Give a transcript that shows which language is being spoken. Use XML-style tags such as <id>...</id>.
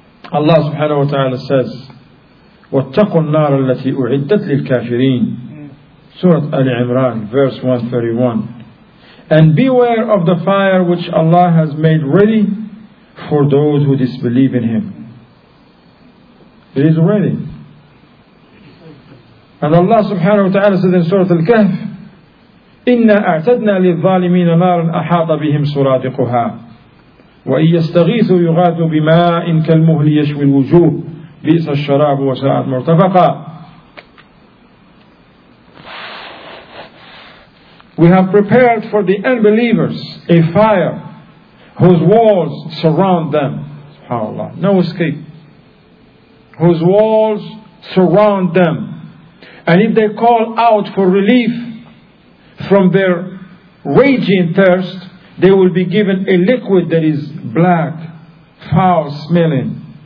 <en>Allah subhanahu wa ta'ala says,</en> <ar>وَاتَّقُوا النَّارَ الَّتِي أُعِدَّتْ لِلْكَافِرِينَ,</ar> <en>Surah Al-Imran, verse 131. And beware of the fire which Allah has made ready for those who disbelieve in Him. It is ready. And Allah subhanahu wa ta'ala says in Surah Al-Kahf,</en> <ar>إِنَّا أَعْتَدْنَا لِلظَّالِمِينَ نَارًا أَحَاطَ بِهِمْ سُرَادِقُهَا وَإِنْ يَسْتَغِيثُوا يُغَاثُوا بِمَاءٍ كَالْمُهْلِ يَشْوِي الْوُجُوهَ بِئْسَ الشَّرَابُ وَسَاءَتْ مُرْتَفَقًا.</ar> <en>We have prepared for the unbelievers a fire whose walls surround them. SubhanAllah. No escape. Whose walls surround them. And if they call out for relief from their raging thirst, they will be given a liquid that is black, foul smelling.</en>